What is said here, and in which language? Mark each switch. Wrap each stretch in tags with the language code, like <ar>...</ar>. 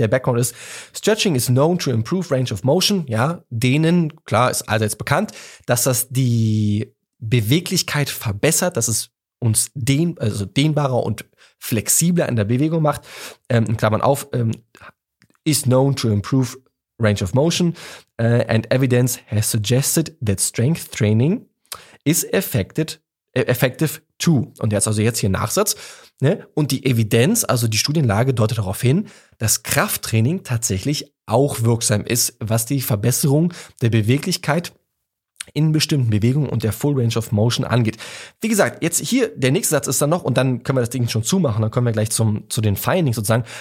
<de>Der Background ist,</de> <en>Stretching is known to improve range of motion.</en> <de>Ja, dehnen, klar, ist allseits bekannt, dass das die Beweglichkeit verbessert, dass es uns dehnbarer und flexibler in der Bewegung macht. In Klammern auf,</de> <en>is known to improve range of motion. And evidence has suggested that strength training is effective too.</en> <de>Und jetzt also jetzt hier Nachsatz. Ne? Und die Evidenz, also die Studienlage, deutet darauf hin, dass Krafttraining tatsächlich auch wirksam ist, was die Verbesserung der Beweglichkeit in bestimmten Bewegungen und der Full Range of Motion angeht. Wie gesagt, jetzt hier, der nächste Satz ist dann noch, und dann können wir das Ding schon zumachen, dann kommen wir gleich zu den Findings sozusagen.</de>